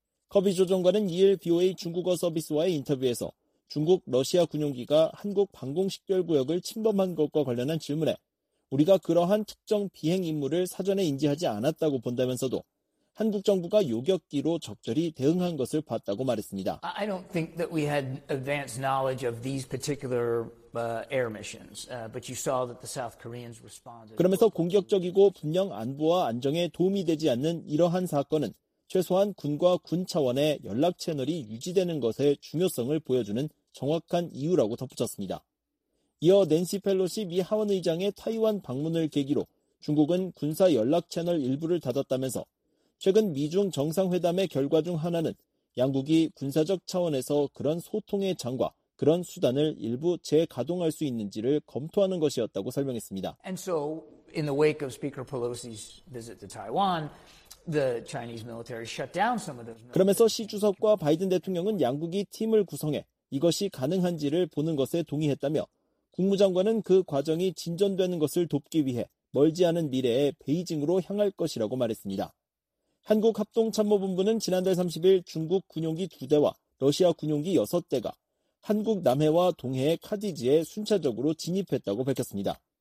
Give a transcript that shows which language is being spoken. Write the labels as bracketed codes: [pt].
[ko] 커비 조정관은 2일 BOA 중국어 서비스와의 인터뷰에서 중국 러시아 군용기가 한국 방공식별구역을 침범한 것과 관련한 질문에 우리가 그러한 특정 비행 임무를 사전에 인지하지 않았다고 본다면서도 한국 정부가 요격기로 적절히 대응한 것을 봤다고 말했습니다. [en] I don't think that we had advanced knowledge of these particular air missions, but you saw that the South Koreans responded. [ko] 그러면서 공격적이고 분명 안보와 안정에 도움이 되지 않는 이러한 사건은 최소한 군과 군 차원의 연락 채널이 유지되는 것의 중요성을 보여주는 정확한 이유라고 덧붙였습니다. 이어 낸시 펠로시 미 하원의장의 타이완 방문을 계기로 중국은 군사 연락 채널 일부를 닫았다면서 최근 미중 정상회담의 결과 중 하나는 양국이 군사적 차원에서 그런 소통의 장과 그런 수단을 일부 재가동할 수 있는지를 검토하는 것이었다고 설명했습니다. [en] And so in the wake of Speaker Pelosi's visit to Taiwan, the Chinese military shut down some of those. [ko] 그러면서 시 주석과 바이든 대통령은 양국이 팀을 구성해 이것이 가능한지를 보는 것에 동의했다며 국무장관은 그 과정이 진전되는 것을 돕기 위해 멀지 않은 미래에 베이징으로 향할 것이라고 말했습니다. 한국합동참모본부는 지난달 30일 중국 군용기 2대와 러시아 군용기 6대가 한국 남해와 동해의 카디지에 순차적으로 진입했다고 밝혔습니다.